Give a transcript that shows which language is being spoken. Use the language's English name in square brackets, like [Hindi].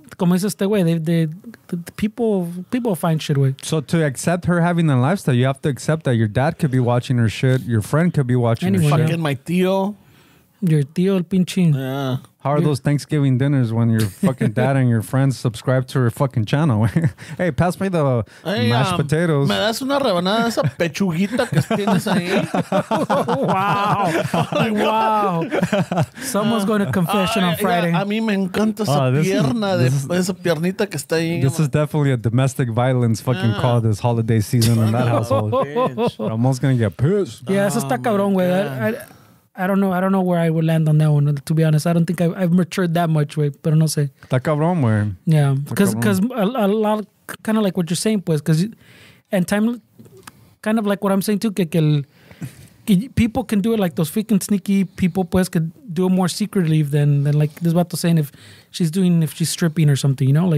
[English] Como es este way? The people find shit way. So to accept her having that lifestyle, you have to accept that your dad could be watching her shit. Your friend could be watching her shit. Fucking my tío. Your tío el pinchín. Yeah. How are those Thanksgiving dinners when your fucking dad and your friends subscribe to her fucking channel? Hey, pass me the mashed potatoes. [Spanish] Me das una rebanada de esa pechuguita que tienes ahí. [English] Wow. Someone's going to confession on Friday. [Spanish] Yeah, a mí me encanta esa pierna, esa piernita que está ahí. [English] This is definitely a domestic violence fucking call this holiday season in that household. Bitch. I'm almost going to get pissed. [Spanish] Yeah, eso está cabrón, güey. [English] I don't know where I would land on that one, to be honest. I don't think I've matured that much, wait, [Spanish] pero no sé. Está cabrón, güey. [English] Yeah, because a lot, kind of like what you're saying, pues, because, and time, kind of like what I'm saying too, que people can do it, like those freaking sneaky people, pues, could do it more secretly than like this vato saying if she's stripping or something, you know?